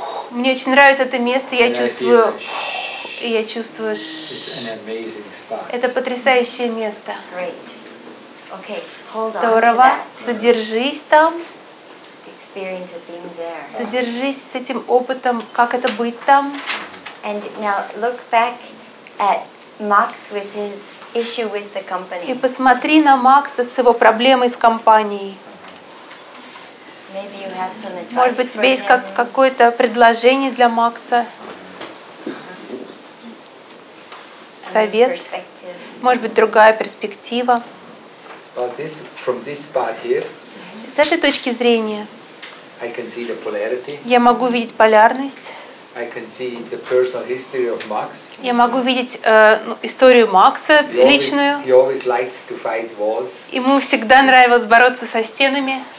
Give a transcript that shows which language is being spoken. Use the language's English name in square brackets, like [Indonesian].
[Russian] Мне очень нравится это место, я чувствую... И я чувствую... [English] It's an amazing spot. [Russian] Это потрясающее место. [English] Great. Okay, hold on. [Russian] Здорово. Задержись там. [English] The experience of being there. [Russian] Задержись с этим опытом, как это быть там. [English] And now look back at Max with his issue with the company. [Russian] И посмотри на Макса с его проблемой с компанией. [English] Maybe you have some advice. [Russian] Может быть, у тебя есть какое-то предложение для Макса? Совет? Может быть, другая перспектива? [English] But this, from this spot here, [Russian] с этой точки зрения [English] I can see the polarity. [Russian] Я могу видеть полярность. [English] I can see the personal history of Max. [Russian] Я могу видеть историю Макса личную. [English] He always liked to fight walls. [Russian] Ему всегда нравилось бороться со стенами.